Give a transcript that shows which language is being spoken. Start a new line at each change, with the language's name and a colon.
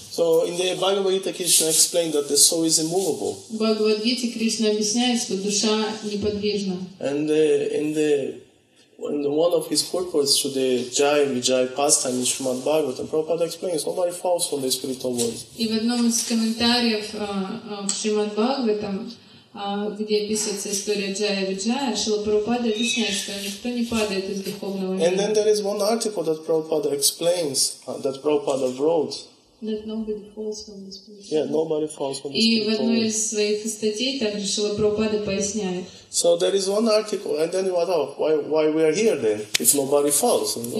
English: So in the Bhagavad Gita, Krishna explained that the soul is immovable.
Russian: Bhagavad Gita, Krishna объясняет, что душа неподвижна.
English: And in one of his purports to the Vijaya pastime in Srimad Bhagavatam, Prabhupada explains nobody falls from the spiritual world.
Russian: И в одном из комментариев в Шримад Бхагаватам, где описывается история Джая Виджая, Шрила Прабхупада объясняет, что никто не падает из духовного мира.
English: And then there is one article that Prabhupada explains that Prabhupada wrote. That nobody falls from the spiritual world. So there is one article, and then what? Oh, why we are here then? If nobody falls.